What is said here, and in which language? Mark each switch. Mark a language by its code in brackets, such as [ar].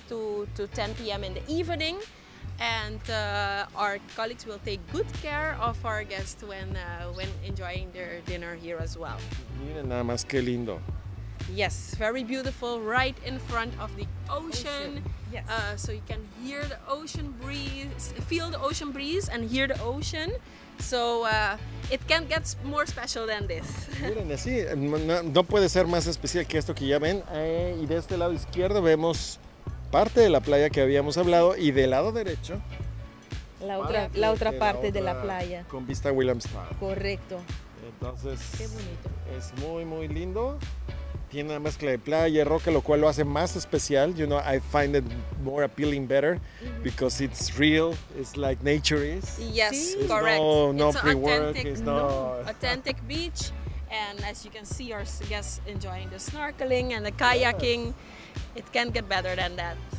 [en] to 10 p.m. in the evening. And our colleagues will take good care of our guests when enjoying their dinner here as well. [es] Miren nada más qué lindo. [en] Yes, very beautiful, right in front of the ocean. Yes. So you can hear the ocean breeze, feel the ocean breeze and hear the ocean. So it can't get more special than this. [es] Miren, así, no puede ser más especial que esto que ya ven. Y de este lado izquierdo vemos parte de la playa que habíamos hablado y del lado derecho la otra parte de la playa. Con vista a Williamstown. Correcto. Entonces, qué bonito. Es muy, muy lindo. Tiene una mezcla de playa y roca, lo cual lo hace más especial. [en] You know, I find it more appealing better, mm-hmm, because it's real. It's like nature is. Yes, it's correct. No it's pre-work. Authentic beach. And as you can see, our guests enjoying the snorkeling and the kayaking. Yes. It can't get better than that.